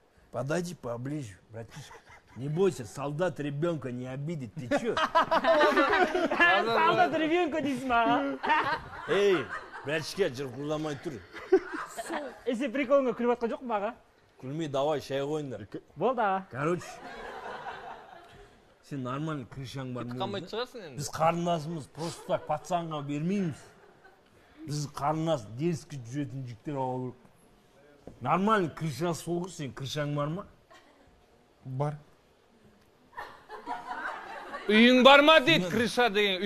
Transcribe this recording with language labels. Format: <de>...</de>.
<ru>Подойди поближе, братишка. Не бойся, солдат ребенка не обидит. Ты че? Солдат ребенка не смогла. Эй, братишка,</ru> <kk>жырқылдамай тұр. Эсе приколыңа күліп атқан жоқ маға? Күлмей,</kk> <ru>давай,</ru> <kk>шай қойындар. Болды аға. Короче, сен нормальный крышаң бар. Кетіп қалмайтын шығарсың енді. Біз қарындасымыз,</kk> <ru>просто так</ru> <kk>пацанға бермейміз. Біз қарындас, дерзкі жүретін жігіттер алу керек. Нормальный крышасы болғыр, сен крышаң бар ма? Бар. Үйің бар ма дейді, крыша деген.</kk>